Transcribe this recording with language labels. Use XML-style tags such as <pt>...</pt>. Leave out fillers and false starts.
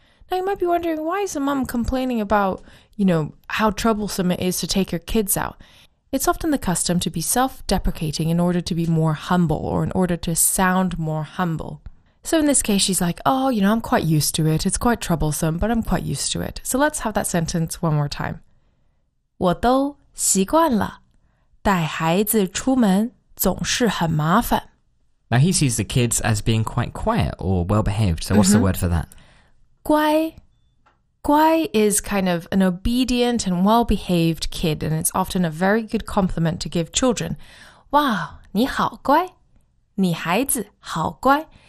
<en>Now you might be wondering, why is the mom complaining about, you know, how troublesome it is to take her kids out? It's often the custom to be self-deprecating in order to be more humble or in order to sound more humble. So in this case, she's like, oh, you know, I'm quite used to it. It's quite troublesome, but I'm quite used to it. So let's have that sentence one more time.</en> <zh>我都习惯了。带孩子出门总是很麻烦。</zh> <en>Now he sees the kids as being quite quiet or well-behaved. So what's mm-hmm. the word for that?</en> <zh>乖。</zh> <en>Guai is kind of an obedient and well-behaved kid, and it's often a very good compliment to give children.</en> <zh>Wow, 你好乖,你孩子好乖.</zh>